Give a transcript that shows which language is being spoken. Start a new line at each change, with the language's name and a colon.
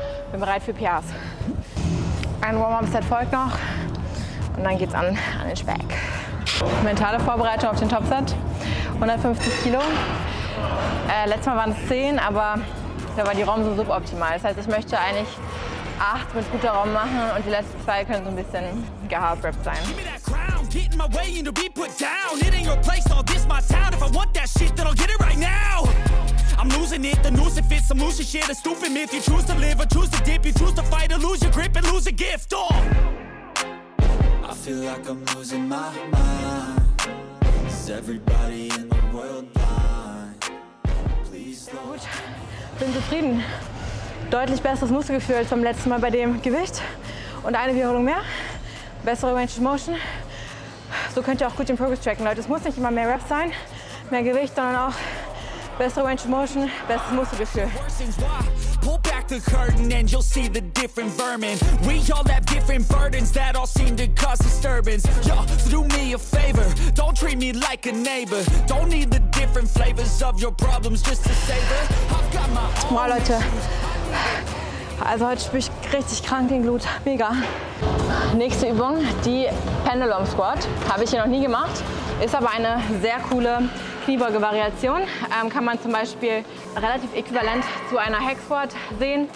German: Bin bereit für PRs. Ein Warm-up-Set folgt noch und dann geht's an den Speck. Mentale Vorbereitung auf den Top-Set. 150 Kilo. Letztes Mal waren es 10, aber da war die ROM so suboptimal. Das heißt, ich möchte eigentlich 8 mit guter ROM machen und die letzten 2 können so ein bisschen gehard-rapped sein.
English: Get in my way and to be put down. It ain't your place, all this my town. If I want that shit, then I'll get it right now. I'm losing it, the noose it fits. Some loose shit, a stupid myth. You choose to live or choose to dip. You choose to fight or lose your grip and lose a gift. Oh. I feel like I'm losing my mind. Is everybody in the world blind? Please don't.
German: Gut, bin zufrieden. Deutlich besseres Muskelgefühl als beim letzten Mal bei dem Gewicht. Und eine Wiederholung mehr. Bessere Range of Motion. So könnt ihr auch gut den Progress tracken, Leute. Es muss nicht immer mehr Reps sein, mehr Gewicht, sondern auch bessere Range of Motion, besseres Muskelgefühl.
English: Pull back the curtain and you'll see the different vermin. We all have different burdens that all seem to cause disturbance. Yo, do me a favor, don't treat me like a neighbor. Don't need the different flavors of your problems just to savor.
German: Boah, Leute. Also heute spüre ich richtig krank den Glut. Mega. Nächste Übung, die Pendulum Squat. Habe ich hier noch nie gemacht. Ist aber eine sehr coole Kniebeuge-Variation. Kann man zum Beispiel relativ äquivalent zu einer Hack Squat sehen.